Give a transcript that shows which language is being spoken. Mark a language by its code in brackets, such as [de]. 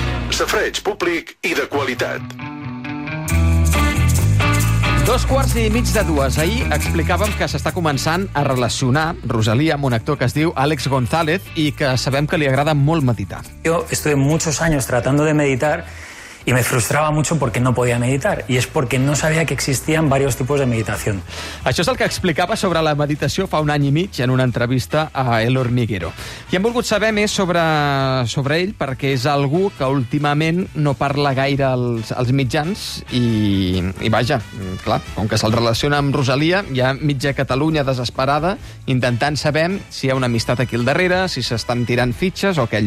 [ca] Safareig públic i de qualitat. Dos quarts i mig de dues. Ahir explicàvem que s'està començant a relacionar Rosalía amb un actor que es diu Àlex González i que sabem que li agrada molt meditar. [es] Yo estuve muchos años tratando de meditar y me frustraba mucho porque no podía meditar y es porque no sabía que existían varios tipos de meditación. [ca] Això és el que explicava sobre la meditació fa un any i mig en una entrevista a El Hormiguero. I hem volgut saber més sobre ell perquè és algú que últimament no parla gaire als mitjans i vaja, clar, com que se'l relaciona amb Rosalía, hi ha mitja Catalunya desesperada intentant saber si hi ha una amistat aquí al darrere, si s'estan tirant fitxes o què.